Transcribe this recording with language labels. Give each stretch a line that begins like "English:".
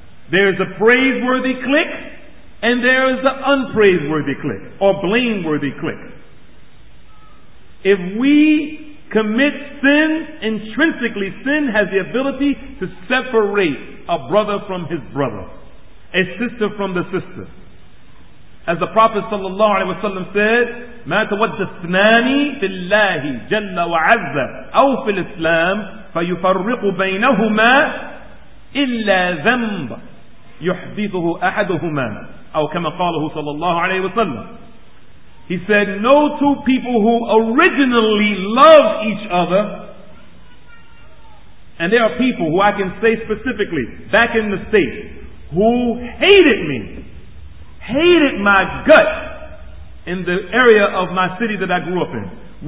English: There's the praiseworthy clique, and there is the unpraiseworthy clique, or blameworthy clique. If we commit sin, intrinsically, sin has the ability to separate a brother from his brother, a sister from the sister. As the Prophet sallallahu alaihi wasallam said,
Arabic: ما توجثناني في الله جل وعز أو في الإسلام فيفرق بينهما إلا ذنب يحدثه أحدهما. أو كما قاله صلى الله عليه وسلم.
English: He said, no two people who originally love each other, and there are people who I can say specifically back in the States who hated me, hated my gut in the area of my city that I grew up in.